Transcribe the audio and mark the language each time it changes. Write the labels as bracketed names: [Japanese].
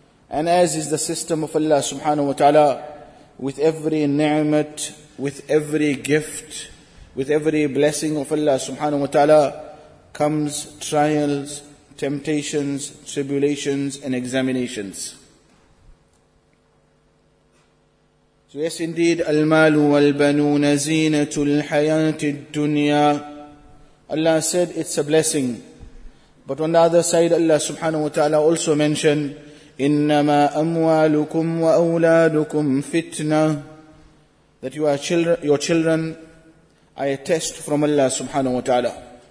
[English] And as is the system of Allah subhanahu wa ta'ala, with every ni'mat, with every gift, with every blessing of Allah subhanahu wa ta'ala, comes trials, temptations, tribulations and examinations. So yes, indeed, [Arabic] المال والبنون زينة الحياة الدنيا. [English] Allah said it's a blessing. But on the other side, Allah subhanahu wa ta'ala also mentioned, [Arabic] إنما أموالكم وأولادكم فتنة. [English] That your children are a test from Allah subhanahu wa ta'ala.